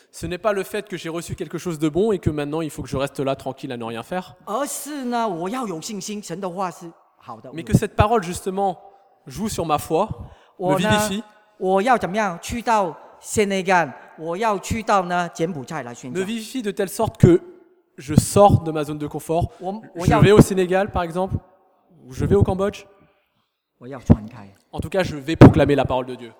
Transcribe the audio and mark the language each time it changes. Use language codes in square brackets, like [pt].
[fr] Ce n'est pas le fait que j'ai reçu quelque chose de bon et que maintenant il faut que je reste là tranquille à ne rien faire. [zh] 而是呢，我要有信心，神的话是好的。 [fr] Mais que cette parole justement joue sur ma foi, me vivifie. [zh] 我要怎么样去到Sénégal，我要去到呢柬埔寨来宣教。 [fr] Me vivifie de telle sorte que je sors de ma zone de confort. Je vais au Sénégal par exemple, ou je vais au Cambodge. En tout cas, je vais proclamer la parole de Dieu.